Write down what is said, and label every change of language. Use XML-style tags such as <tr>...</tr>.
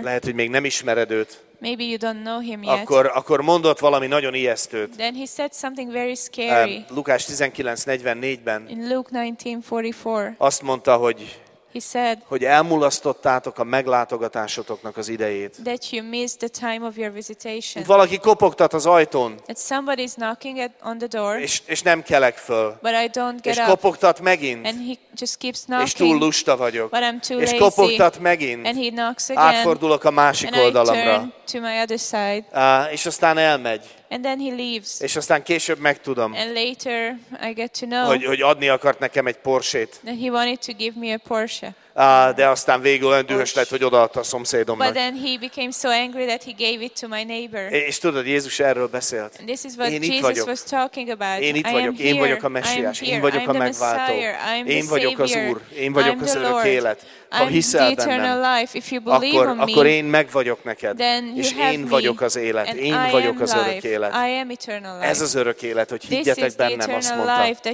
<hu>lehet, hogy még nem ismered őt,</hu> <en>maybe you don't know him yet,</en> <hu>akkor mondott valami nagyon ijesztőt.</hu> <en>Then he said something very scary.</en> <hu>Lukás 19:44-ben</hu> <en>in Luke 19:44,</en> <hu>azt mondta, hogy</hu> <en>he said,</en> <hu>hogy elmulasztottátok a meglátogatásotoknak az idejét.</hu> <en>That you missed the time of your visitation.</en> <hu>Valaki kopogtat az ajtón.</hu> <en>That somebody's knocking at, on the door.</en> <hu>És nem kelek föl.</hu> <en>But I don't get</en> <hu>és</hu> <en>up.</en> <hu>És kopogtat megint.</hu> <en>And he just keeps knocking.</en> <hu>És túl lusta vagyok.</hu> <en>But I'm too</en> <hu>és</hu> <en>lazy.</en> <hu>Kopogtat megint.</hu> <en>And he knocks again.</en> <hu>Átfordulok a másik</hu> <en>and</en> <hu>oldalamra.</hu> <en>I turn to my other side.</en> <hu>És aztán elmegy.</hu> <en>And then he leaves.</en> <hu>És aztán később megtudom.</hu> <en>And later I get to know.</en> <hu>Hogy adni akart nekem egy Porsche-t.</hu> <en>That he wanted to give me a Porsche.</en> <hu>De aztán végül olyan dühös lett, hogy odaadta a szomszédomnak.</hu> <en>But then he became so angry that he gave it to my neighbor.</en> <hu>És tudod, Jézus erről beszélt.</hu> <en>And this is what</en> <hu>én Jesus vagyok.</hu> <en>Was talking about.</en> <hu>Én itt vagyok.</hu> <en>Here.</en> <hu>Én vagyok a Messiás. Én vagyok a megváltó. Én vagyok az Úr. Én vagyok az örök élet. Ha hiszel bennem, akkor én meg vagyok neked. És én vagyok az élet. Én vagyok az örök élet. Ez az örök élet, hogy higgyetek bennem, azt mondta.</hu>